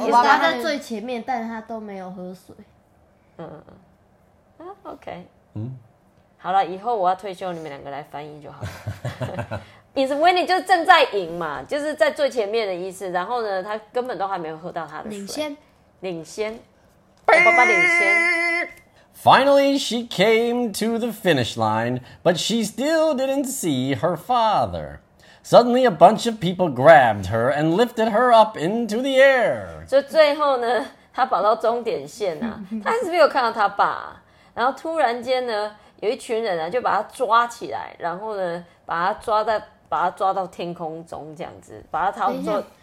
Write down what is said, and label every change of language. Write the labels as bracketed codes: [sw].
[zh] 我爸爸在最前面，但他都没有喝水。 [en] Okay. [zh] 好了，以后我要退休，你们两个来翻译就好了。 [en] He's winning [zh] 就是正在赢嘛，就是在最前面的意思。然后呢，他根本都还没有喝到他的水。领先，领先，我爸爸领先。 [en] Finally, she came to the finish line, but she still didn't see her father. Suddenly, a bunch of people grabbed her and lifted her up into the air. [zh] 所以最后呢，她跑到终点线啊，她还是没有看到她爸、啊。然后突然间呢，有一群人啊，就把她抓起来，然后呢，把她抓到天空中这样子，把她抬到。